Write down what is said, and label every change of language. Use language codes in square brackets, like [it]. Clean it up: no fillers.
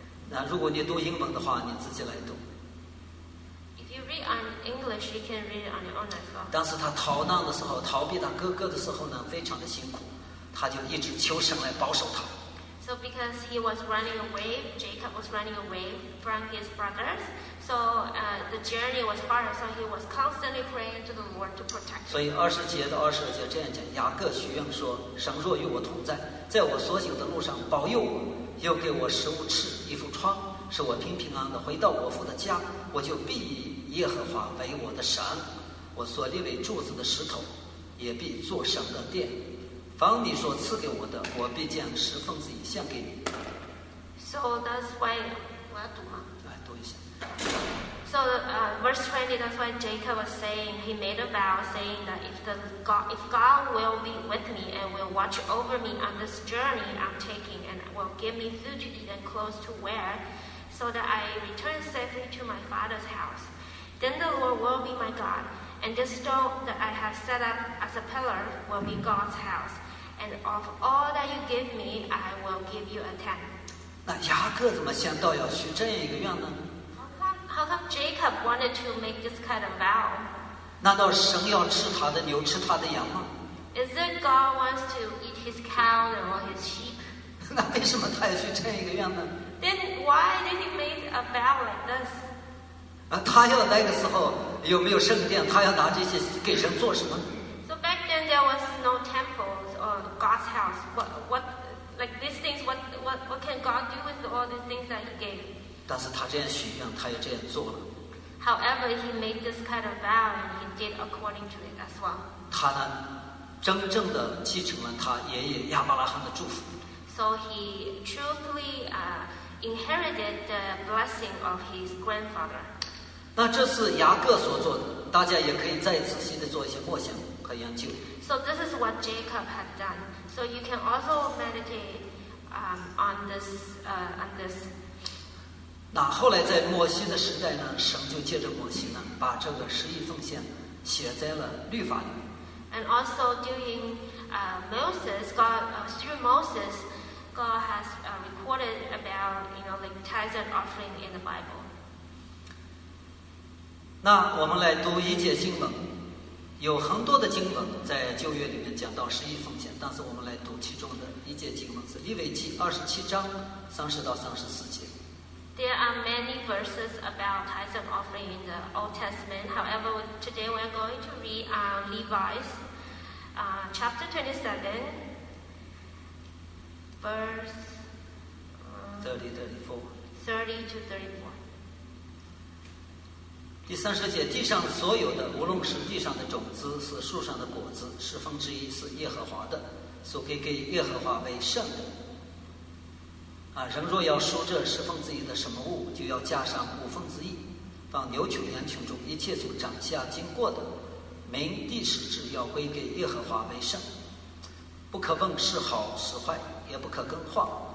[zh] 那如果你读英文的话，你自己来读。 [en] If you read on English, you can read on your own as well. [zh] 当时他逃难的时候，逃避他哥哥的时候呢，非常的辛苦，他就一直求神来保守他。 [en] So because he was running away, Jacob was running away from his brothers. So the journey was hard. So he was constantly praying to the Lord to protect. [zh] 所以二十节到二十二节这样讲，雅各许愿说：“神若与我同在，在我所行的路上保佑我，又给我食物吃，衣服穿，使我平平安安的回到我父的家，我就必以耶和华为我的神，我所立为柱子的石头，也必做神的殿。” 凡你所赐给我的，我必将十分之一献给你。 [en] So that's why [zh] 我要读吗？来读一下。 [en] So verse 20, that's why Jacob was saying he made a vow, saying that if God will be with me and will watch over me on this journey I'm taking, and will give me food to eat and clothes to wear, so that I return safely to my father's house, then the Lord will be my God, and this stone that I have set up as a pillar will be God's house. And of all that you give me, I will give you a tenth. [zh] 那雅各怎么想到要许这样一个愿呢？ [en] How come Jacob wanted to make this kind of vow? [zh] 难道神要吃他的牛，吃他的羊吗？ [en] Is it God wants to eat his cow or his sheep? [zh] 那为什么他要许这样一个愿呢？ [en] Then why did he make a vow like this? [zh] 啊，他要来的时候有没有圣殿？他要拿这些给神做什么？ [en] Then there was no temples or God's house. What can God do with all these things that He gave? [zh] 但是他这样许愿，他也这样做了。 [en] However, he made this kind of vow and he did according to it as well. [zh] 他呢，真正的继承了他爷爷亚伯拉罕的祝福。 [en] So he truthfully inherited the blessing of his grandfather. [zh] 那这是雅各所做的，大家也可以再仔细的做一些默想。 [en] So this is what Jacob had done. So you can also meditate on this. [zh] 那后来在摩西的时代呢，神就借着摩西呢，把这个十一奉献写在了律法里面。 [en] And also during Moses, God through Moses, God has recorded about like tithes and offering in the Bible. [zh] 那我们来读一节经文。有很多的经文在旧约里面讲到十一奉献，但是我们来读其中的一节经文，是利未记二十七章三十到三十四节。 [en] There are many verses about tithes and offering in the Old Testament. However, today we are going to read Levites, chapter 27, verse 30 to 34. [zh] 第三十节，地上所有的，无论是地上的种子，是树上的果子，十分之一是耶和华的，所给给耶和华为圣的。啊，人若要收这十分之一的什么物，就要加上五分之一，放牛群羊群中一切所长下经过的，民地使之要归给耶和华为圣，不可问是好是坏，也不可更换。